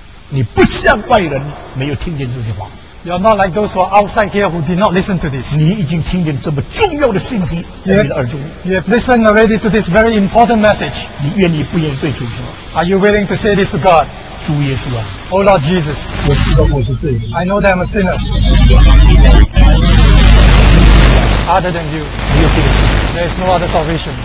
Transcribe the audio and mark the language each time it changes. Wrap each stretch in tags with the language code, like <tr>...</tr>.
<zh>你不像外人，没有听见这些话。</zh> <en>You're not like those who are outside here who did not listen to this.</en> <zh>你已经听见这么重要的信息在你的耳中。</zh> <en>You have listened already to this very important message.</en> <zh>你愿意不愿意对主说？</zh> <en>Are you willing to say this to God?</en> <zh>主耶稣啊。</zh> <en>Oh Lord Jesus.</en> <zh>我知道我是罪人。</zh> <en>I know that I'm a sinner. Other than you.</en> <zh>没有别的救赎。</zh> <en>There is no other salvation.</en>